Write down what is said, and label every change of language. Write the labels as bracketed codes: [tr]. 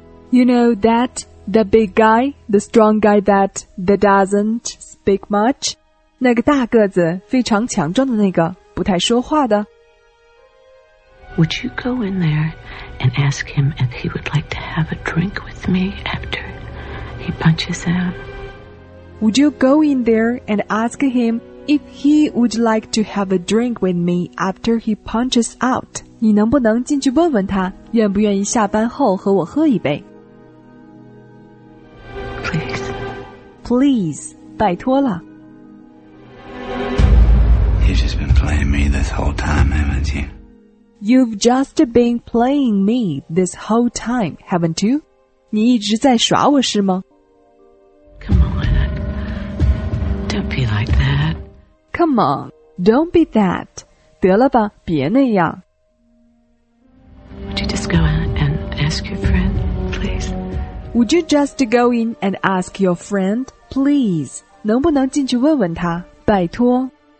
[en] You know that, the big guy, the strong guy that doesn't speak much? [zh] 那个大个子非常强壮的那个不太说话的。 [en] Would you go in there and ask him if he would like to have a drink with me after he punches out? Would you go in there and ask him? If he would like to have a drink with me after he punches out, [zh] 你能不能进去问问他，愿不愿意下班后和我喝一杯？ [en] Please, [zh] 拜托了。 [en] He's just been playing me this whole time, haven't you? You've just been playing me this whole time, haven't you? [zh] 你一直在耍我是吗？ [en] Come on, don't be like that. Come on, don't be that. [zh] 得了吧，别那样。 [en] Would you just go in and ask your friend, please? Would you just go in and ask your friend, please? [zh] 能不能进去问问他，拜托。